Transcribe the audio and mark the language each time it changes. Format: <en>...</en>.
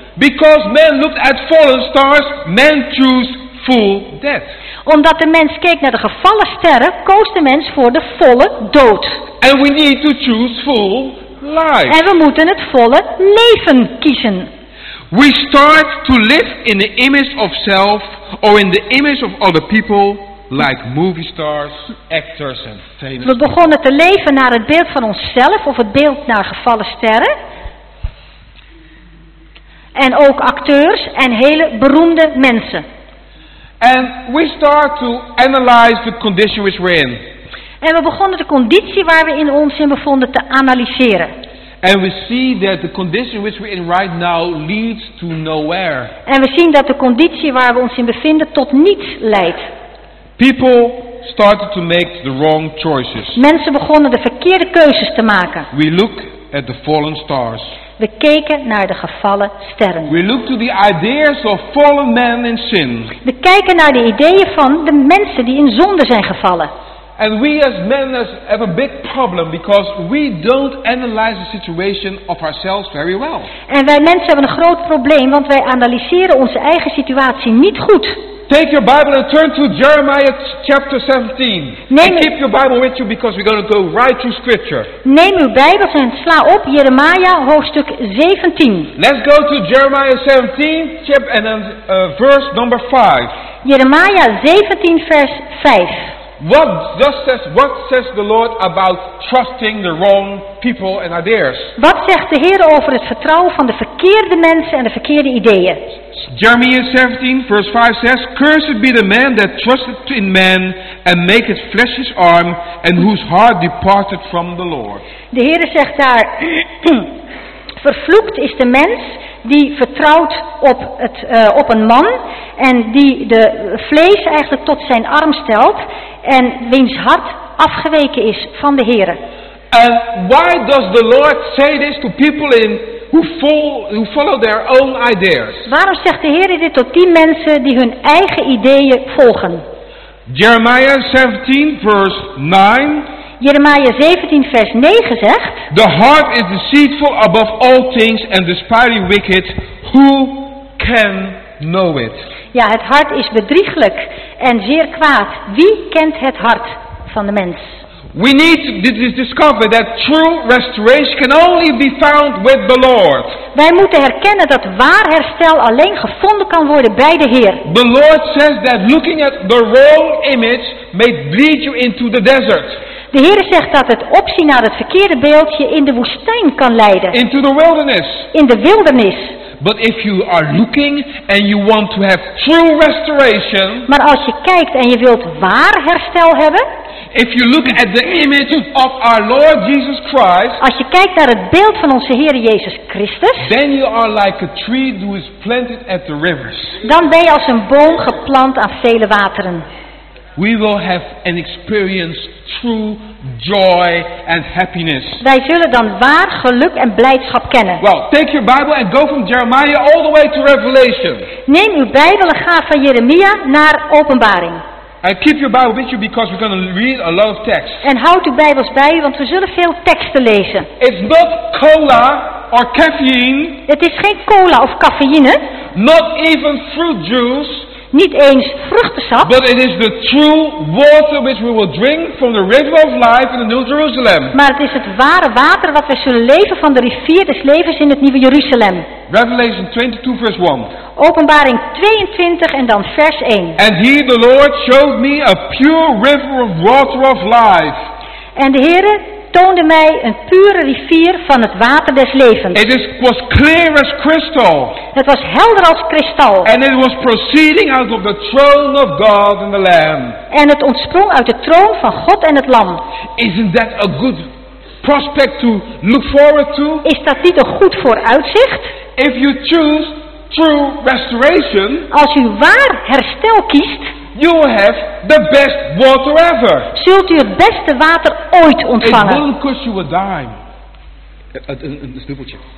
<en>Because man looked at fallen stars, man chose full death.</en> <nl>Omdat de mens keek naar de gevallen sterren, koos de mens voor de volle dood.</nl> <en>And we need to choose full life.</en> <nl>En we moeten het volle leven kiezen.</nl> <en>We start to live in the image of self or in the image of other people. Like movie stars, actors and famous.</en> <nl>We begonnen te leven naar het beeld van onszelf of het beeld naar gevallen sterren. En ook acteurs en hele beroemde mensen.</nl> <en>And we start to analyze the condition which we're in.</en> <nl>En we begonnen de conditie waar we in ons in bevonden te analyseren.</nl> <en>And we see that the condition which we're in right now leads to nowhere.</en> <nl>En we zien dat de conditie waar we ons in bevinden tot niets leidt.</nl> <en>People started to make the wrong choices.</en> <nl>Mensen begonnen de verkeerde keuzes te maken.</nl> <en>We look at the fallen stars.</en> <nl>We keken naar de gevallen sterren.</nl> <en>We look to the ideas of fallen men in sin.</en> <nl>We kijken naar de ideeën van de mensen die in zonde zijn gevallen.</nl> <en>And we as men have a big problem because we don't analyze the situation of ourselves very well.</en> <nl>En wij mensen hebben een groot probleem, want wij analyseren onze eigen situatie niet goed.</nl> <en>Take your Bible and turn to Jeremiah chapter 17. And keep your Bible with you because we're going to go right through scripture.</en> <nl>Neem uw Bijbel en sla op Jeremia hoofdstuk 17.</nl> <en>Let's go to Jeremiah 17, chapter and then verse number 5.</en> <nl>Jeremiah 17 vers 5.</nl> <en>What says the Lord about trusting the wrong people and ideas?</en> <nl>Wat zegt de Heer over het vertrouwen van de verkeerde mensen en de verkeerde ideeën?</nl> <en>Jeremiah 17, verse 5 says, cursed be the man that trusteth in man and maketh flesh his arm and whose heart departed from the Lord.</en> <nl>De Heer zegt daar, vervloekt is de mens die vertrouwt op een man en die de vlees eigenlijk tot zijn arm stelt en wiens hart afgeweken is van de Heere.</nl> <en>And why does the Lord say this to people in who follow their own ideas?</en> <nl>Waarom zegt de Heere dit tot die mensen die hun eigen ideeën volgen?</nl> <en>Jeremiah 17 verse 9.</en> <nl>Jeremiah 17 vers 9 zegt:</nl> <en>the heart is deceitful above all things and despitefully wicked. Who can know it?</en> <nl>Ja, het hart is bedrieglijk en zeer kwaad. Wie kent het hart van de mens?</nl> <en>We need to discover that true restoration can only be found with the Lord.</en> <nl>Wij moeten herkennen dat waar herstel alleen gevonden kan worden bij de Heer.</nl> <en>The Lord says that looking at the wrong image may lead you into the desert.</en> <nl>De Heer zegt dat het opzien naar het verkeerde beeld je in de woestijn kan leiden.</nl> <en>Into the wilderness.</en> <nl>In de wildernis.</nl> <en>But if you are looking and you want to have true restoration.</en> <nl>Maar als je kijkt en je wilt waar herstel hebben.</nl> <en>If you look at the image of our Lord Jesus Christ.</en> <nl>Als je kijkt naar het beeld van onze Heer Jezus Christus.</nl> <en>Then you are like a tree who is planted at the rivers.</en> <nl>Dan ben je als een boom geplant aan vele wateren.</nl> <en>We will have an experience true joy and happiness.</en> <nl>Wij zullen dan waar geluk en blijdschap kennen.</nl> <en>Well, take your Bible and go from Jeremiah all the way to Revelation.</en> <nl>Neem uw Bijbel en ga van Jeremia naar Openbaring.</nl> <en>And keep your Bible with you because we're going to read a lot of text.</en> <nl>En houd uw Bijbels bij u, want we zullen veel teksten lezen.</nl> <en>It's not cola or caffeine.</en> <nl>Het is geen cola of cafeïne.</nl> <en>Not even fruit juice.</en> <nl>Niet eens vruchtensap.</nl> <en>But it is the true water which we will drink from the river of life in the New Jerusalem.</en> <nl>Maar het is het ware water wat we zullen leven van de rivier des levens in het Nieuwe Jeruzalem.</nl> <en>Revelation 22 verse 1.</en> <nl>Openbaring 22 en dan vers 1.</nl> <en>And he the Lord showed me a pure river of water of life.</en> <nl>En de Heere toonde mij een pure rivier van het water des levens.</nl> <en>It was clear as crystal.</en> <nl>Het was helder als kristal.</nl> <en>And it was proceeding out of the throne of God and the Lamb.</en> <nl>En het ontsprong uit de troon van God en het Lam.</nl> <en>Isn't that a good prospect to look forward to?</en> <nl>Is dat niet een goed vooruitzicht?</nl> <en>If you choose true restoration,</en> <nl>als u waar herstel kiest,</nl> <en>you will have the best water ever.</en> <nl>Zult u het beste water ooit ontvangen?</nl> <en>It won't cost you a dime.</en> <nl>Een dubbeltje.</nl>